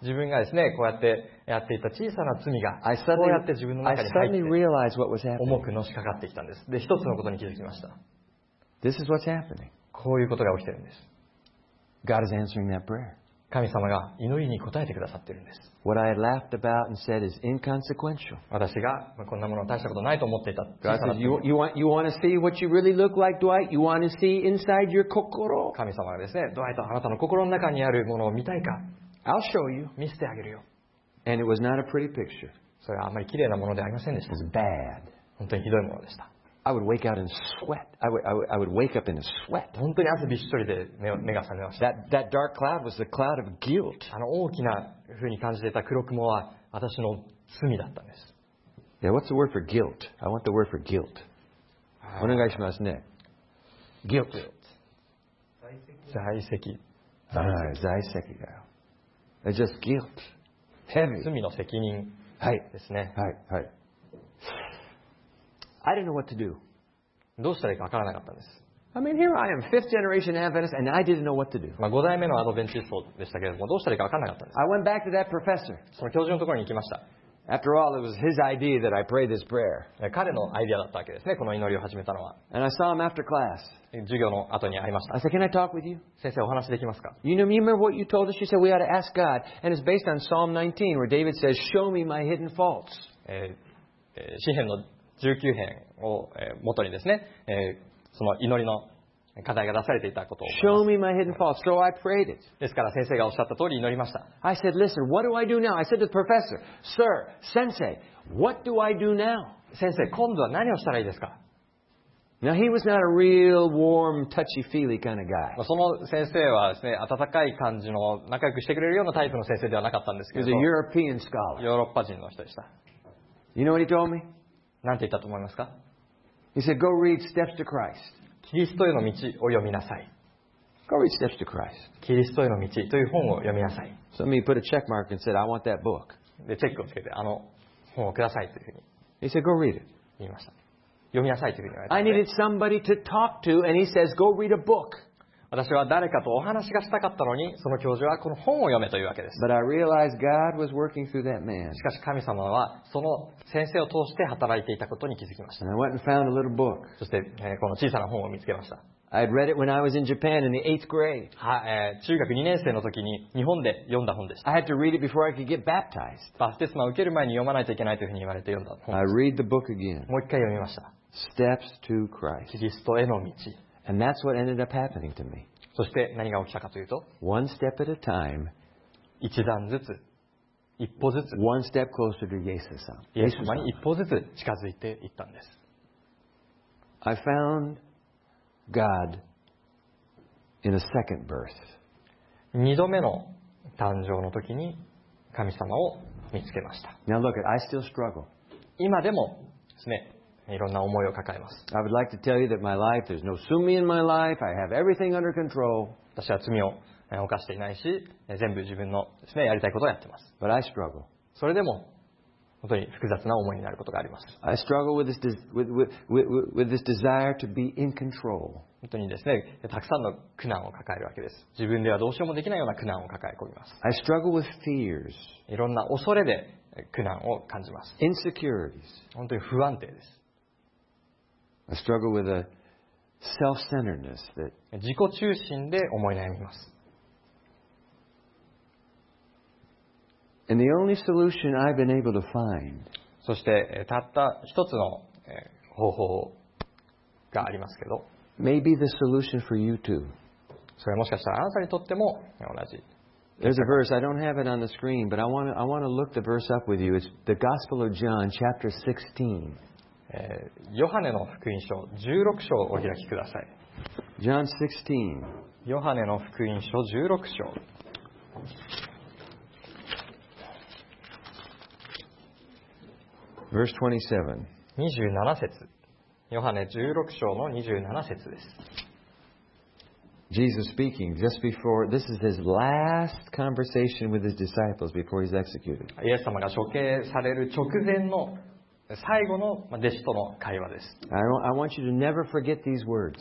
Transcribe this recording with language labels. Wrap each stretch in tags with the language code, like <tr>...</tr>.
<ja>自分がですね、こうやってやっていた小さな罪が、こうやって自分の中に入って、重くのしかかってきたんです。で、一つのことに気づきました。</ja> <en>This is what's happening.</en> <ja>こういうことが起きてるんです。</ja> <en>God is answering that prayer.</en> <ja>神様が祈りに答えてくださってるんです。</ja> <en>What I laughed about and said is inconsequential.</en> <ja>私がこんなものは大したことないと思っていた。</ja> <en>God says, you want to see what you really look like, Dwight? You want to see inside your 心?</en> <ja>神様がですね、ドワイト、あなたの心の中にあるものを見たいか?</ja> <en>I'll show you.</en> <ja>見せてあげるよ。</ja> <en>And it was not a pretty picture.</en> <ja>それはあまり綺麗なものではありませんでした。</ja> <en>It was bad.</en> <ja>本当にひどいものでした。</ja> <en>I would wake out in sweat. I would wake up in a sweat.</en> <ja>本当に汗びっしょりで目が覚めました。</ja> <en>That dark cloud was the cloud of guilt.</en> <ja>あの大きな風に感じていた黒雲は私の罪だったんです。</ja> <en>Yeah, what's the word for guilt? I want the word for guilt.</en> <ja>お願いしますね。</ja> <en>Guilt.</en> <ja>罪責。罪責。罪責だよ。</ja> <en>It's just guilt. Heavy.</en> <ja>罪の責任。はい。ですね。はい。はい。</ja> <en>I didn't know what to do.</en> <ja>どうしたらいいか分からなかったんです。</ja> <en>I mean, here I am, fifth generation Adventist, and I didn't know what to do.</en> <ja>まあ、5代目のアドベンチストでしたけれども、どうしたらいいか分からなかったんです。</ja> <en>I went back to that professor.</en> <ja>その教授のところに行きました。</ja> <en>After all, it was his idea that I prayed this prayer.</en> <ja>彼のアイデアだったわけですね。この祈りを始めたのは。</ja> <en>And I saw him after class.</en> <ja>授業の後に会いました。</ja> <en>I said, "Can I talk with you?"</en> <ja>先生、お話できますか</ja> <en>？You know, you remember what you told us? You said we ought to ask God, and it's based on Psalm 19, where David says, "Show me my hidden faults."</en> <ja>詩編の19編を元にですね、その祈りの課題が出されていたことを。</ja> <en>Show me my hidden faults. So I prayed it.</en> <ja>ですから先生がおっしゃった通り祈りました。</ja> <en>I said, listen, what do I do now? I said to the professor, sir, sensei, what do I do now?</en> <ja>先生、今度は何をしたらいいですか</ja> <en>？Now he was not a real warm, touchy-feely kind of guy.</en> <ja>その先生はですね、温かい感じの仲良くしてくれるようなタイプの先生ではなかったんですけど。</ja> <en>He was a European scholar.</en> <ja>ヨーロッパ人の人でした。</ja> <en>You know what he told me?</en> <ja>何て言ったと思いますか</ja> <en>？He said, go read Steps to Christ.</en> <ja>キリストへの道を読みなさい。</ja> <en>Go read Steps to Christ.</en> <ja>キリストへの道という本を読みなさい。</ja> <en>So he put a check mark and said, I want that book.</en> <ja>で、チェックをつけて、あの本をくださいというふうに。</ja> <en>He said, go read it.</en> <ja>言いました。読みなさいというふうに言われた。</ja> <en>I needed somebody to talk to, and he says, go read a book.</en> <ja>私は誰かとお話がしたかったのに、その教授はこの本を読めというわけです。</ja> <en>But I realized God was working through that man.</en> <ja>しかし神様は、その先生を通して働いていたことに気づきました。</ja> <en>I went and found a little book.</en> <ja>そして、この小さな本を見つけました。</ja> <en>I had read it when I was in Japan in the 8th grade.</en> <ja>中学2年生の時に日本で読んだ本でした。</ja> <en>I had to read it before I could get baptized.</en> <ja>バプテスマを受ける前に読まないといけないというふうに言われて読んだ本</ja> <en>です。I read the book again.</en> <ja>もう一回読みました。</ja> <en>Steps to Christ.</en> <ja>キリストへの道。</ja> <en>And that's what ended up happening to me.</en> <ja>そして何が起きたかというと、</ja> <en>one step at a time,</en> <ja>一段ずつ、一歩ずつ、</ja> <en>one step closer to Jesus.</en> <ja>イエス様に一歩ずつ近づいていったんです。</ja> <en>I found God in a second birth.</en> <ja>二度目の誕生の時に神様を見つけました。</ja> <en>Now look, I still struggle.</en> <ja>今でもですね。いろんな思いを抱えます。</ja> <en>I would like to tell you that my life, there's no sumi in my life. I have everything under control.</en> <ja>私は罪を犯していないし、全部自分のですね、やりたいことをやってます。</ja> <en>But I struggle.</en> <ja>それでも本当に複雑な思いになることがあります。</ja> <en>I struggle with this desire to be in control.</en> <ja>本当にですね、たくさんの苦難を抱えるわけです。自分ではどうしようもできないような苦難を抱え込みます。</ja> <en>I struggle with fears.</en> <ja>いろんな恐れで苦難を感じます。</ja> <en>Insecurities.</en> <ja>本当に不安定です。</ja> <en>I struggle with a self-centeredness that</en> <ja>自己中心で思い悩みます。</ja> <en>And the only solution I've been able to find</en> <ja>そしてたった一つの方法がありますけど</ja> <en>maybe the solution for you too</en> <ja>それはもしかしたらあなたにとっても同じ。</ja> <en>There's a verse, I don't have it on the screen, but I want to look the verse up with you. It's the Gospel of John, chapter 16.</en> <ja>ヨハネの福音書16章をお開きください。</ja> <en>John 16.</en> <ja>ヨハネの福音書16章。</ja> <en>Verse 27.</en> <ja>27節。ヨハネ16章の27節です。</ja> <en>Jesus speaking just before, this is his last conversation with his disciples before he's executed.</en> <ja>イエス様が処刑される直前の最後の弟子との会話です。</ja> <en>I want you to never forget these words.</en>